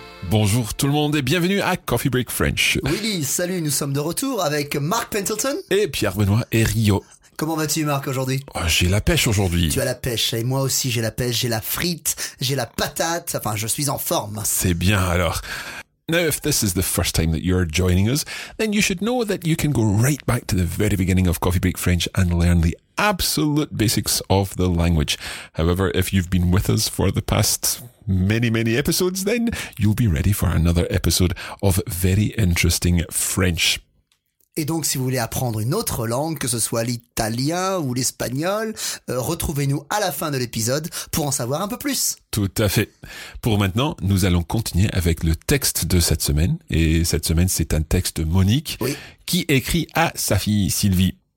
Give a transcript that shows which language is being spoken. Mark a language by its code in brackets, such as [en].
[fr] Bonjour tout le monde et bienvenue à Coffee Break French. Willy, salut, nous sommes de retour avec Marc Pendleton et Pierre-Benoît Herriot. Comment vas-tu Marc aujourd'hui? J'ai la pêche aujourd'hui. Tu as la pêche et moi aussi j'ai la pêche, j'ai la frite, j'ai la patate, enfin je suis en forme. C'est bien alors. [en] Now if this is the first time that you're joining us, then you should know that you can go right back to the very beginning of Coffee Break French and learn the absolute basics of the language. However, if you've been with us for the past many, many episodes, then you'll be ready for another episode of very interesting French. [fr] Et donc, si vous voulez apprendre une autre langue, que ce soit l'italien ou l'espagnol, retrouvez-nous à la fin de l'épisode pour en savoir un peu plus. Tout à fait. Pour maintenant, nous allons continuer avec le texte de cette semaine. Et cette semaine, c'est un texte de Monique qui écrit à sa fille Sylvie.